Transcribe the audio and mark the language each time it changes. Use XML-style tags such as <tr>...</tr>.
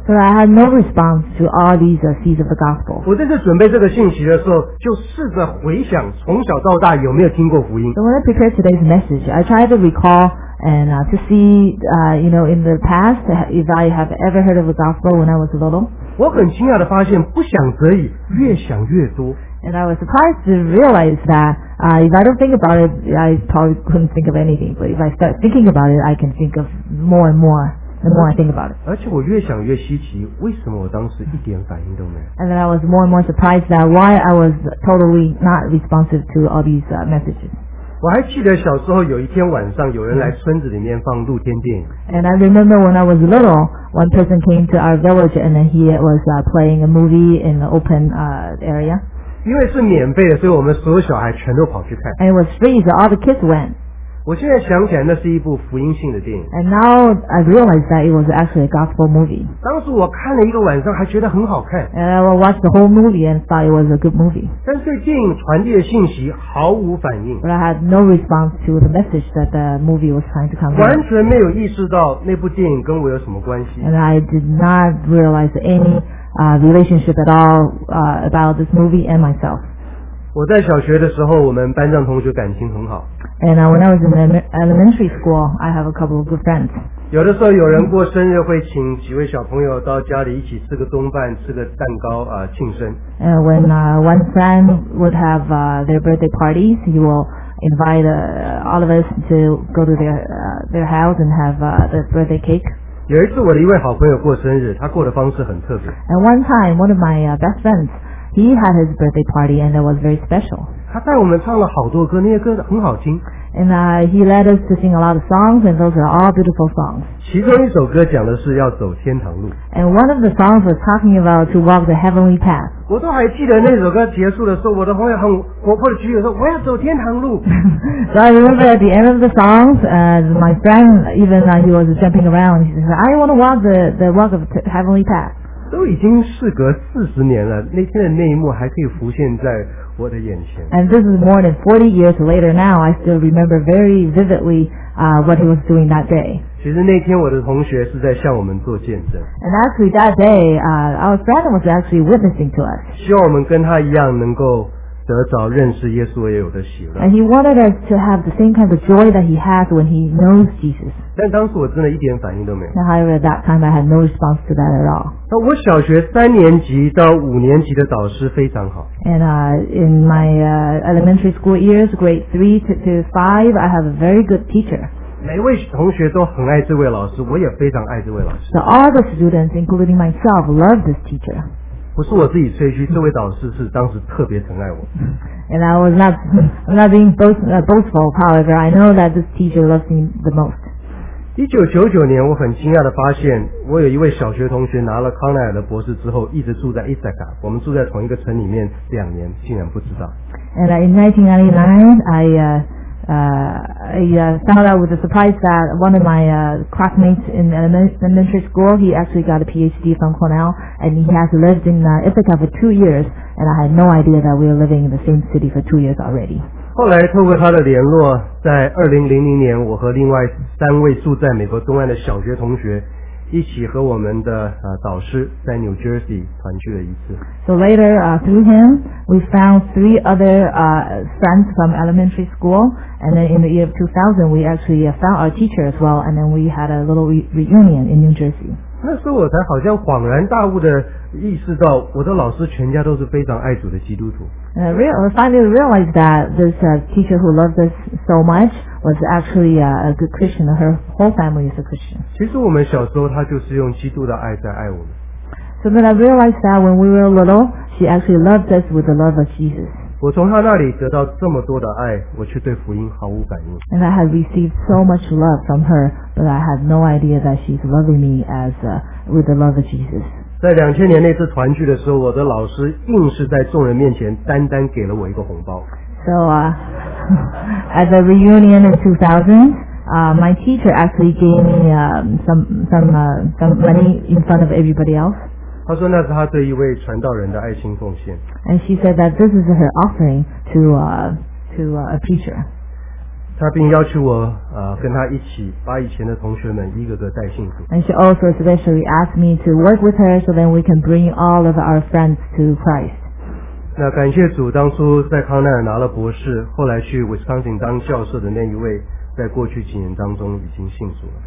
<en>So I had no response to all these seeds of the gospel.</en> <zh>我正在准备这个信息的时候，就试着回想从小到大有没有听过福音。</zh> <en>So when I prepared today's message, I tried to recall and to see, you know, in the past, if I have ever heard of the gospel when I was little.</en> <zh>我很惊讶地发现，不想则已，越想越多。</zh> <en>And I was surprised to realize that if I don't think about it, I probably couldn't think of anything. But if I start thinking about it, I can think of more and more the more I think about it.</en> <zh>而且我越想越稀奇，为什么我当时一点反应都没有？</zh> <en>And then I was more and more surprised that why I was totally not responsive to all these messages.</en> <zh>我还记得小时候有一天晚上有人来村子里面放露天电影。</zh> <en>And I remember when I was little, one person came to our village and then he was playing a movie in the open area.</en> <zh>因为是免费的，所以我们所有小孩全都跑去看。</zh> <en>And it was free, so all the kids went.</en> <zh>我现在想起来，那是一部福音性的电影。</zh> <en>And now I realize that it was actually a gospel movie.</en> <zh>当时我看了一个晚上，还觉得很好看。</zh> <en>And I watched the whole movie and thought it was a good movie.</en> <zh>但是电影传递的信息毫无反应。</zh> <en>But I had no response to the message that the movie was trying to convey.</en> <zh>完全没有意识到那部电影跟我有什么关系。</zh> <en>And I did not realize any. Relationship at all about this movie and myself.</en> <zh>我在小学的时候，我们班上同学感情很好。</zh> <en>And when I was in elementary school, I have a couple of good friends.</en> <zh>有的时候有人过生日会请几位小朋友到家里一起吃个冬饭，吃个蛋糕啊，庆生。</zh> <en>And when one friend would have their birthday parties, he will invite all of us to go to their house and have the birthday cake.</en> <zh>有一次我的一位好朋友过生日，他过的方式很特别。</zh> <en>And one time, one of my best friends, he had his birthday party and it was very special.</en> <zh>他带我们唱了好多歌，那些歌很好听。</zh> <en>And he led us to sing a lot of songs and those are all beautiful songs.</en> <zh>其中一首歌讲的是要走天堂路。</zh> <en>And one of the songs was talking about to walk the heavenly path.</en> <zh>我都还记得那首歌结束的时候，我的朋友很活泼的举手说我要走天堂路。</zh> <en>So I remember at the end of the songs, my friend, even though he was jumping around, he said, I want to walk the walk of the heavenly path.</en> <zh>都已经事隔40年了，那天的那一幕还可以浮现在我的眼前。</zh> <en>And this is more than 40 years later now, I still remember very vividly what he was doing that day.</en> <zh>其实那天我的同学是在向我们做见证。</zh> <en>And actually that day, our friend was actually witnessing to us.</en> <zh>希望我们跟他一样能够得着认识耶稣也有的喜乐。</zh> <en>And he wanted us to have the same kind of joy that he has when he knows Jesus.</en> <zh>但当时我真的一点反应都没有。</zh> <en>And however, at that time I had no response to that at all.</en> <zh>那我小学三年级到五年级的导师非常好。</zh> <en>And in my elementary school years, grade 3 to 5, I have a very good teacher.</en> <zh>每一位同学都很爱这位老师，我也非常爱这位老师。</zh> <en>So all the students, including myself, love this teacher.</en> <zh>不是我自己吹嘘，这位导师是当时特别疼爱我。</zh> <en>And I was not being boastful, however, I know that this teacher loves me the most.</en> <zh>1999年，我很惊讶地发现，我有一位小学同学拿了康奈尔的博士之后，一直住在伊萨卡，我们住在同一个城里面两年，竟然不知道。</zh> <en>And in 1999, I found out with a surprise that one of my classmates in elementary school, he actually got a PhD from Cornell, and he has lived in Ithaca for 2 years, and I had no idea that we were living in the same city for 2 years already.</en> <zh>后来透过他的联络，在2000年，我和另外三位住在美国东岸的小学同学一起和我们的导师在 New Jersey 团聚了一次。</zh> <en>So later, through him, we found three other friends from elementary school. And then in the year of 2000, we actually found our teacher as well. And then we had a little reunion in New Jersey.</en> <zh>那时候我才好像恍然大悟的意识到，我的老师全家都是非常爱主的基督徒。</zh> <en>Finally realized that this teacher who loved us so much was actually a good Christian. Her whole family is a Christian.</en> <zh>其实我们小时候，她就是用基督的爱在爱我们。</zh> <en>So then I realized that when we were little, she actually loved us with the love of Jesus.</en> <zh>我从她那里得到这么多的爱，我却对福音毫无反应。</zh> <en>And I had received so much love from her, but I had no idea that she's loving me as with the love of Jesus.</en> <zh>在2000年那次团聚的时候，我的老师硬是在众人面前单单给了我一个红包。</zh> <en>So, at the reunion in 2000, my teacher actually gave me some money in front of everybody else.</en> <zh>他说那是他对一位传道人的爱心奉献。</zh> <en>And she said that this is her offering to a preacher.</en> <zh>他并要求我跟他一起把以前的同学们一个个带信主。</zh> <en>And she also especially asked me to work with her so then we can bring all of our friends to Christ.</en> <zh>那感谢主，当初在康奈尔拿了博士，后来去 Wisconsin 当教授的那一位，在过去几年当中已经信主了。</zh>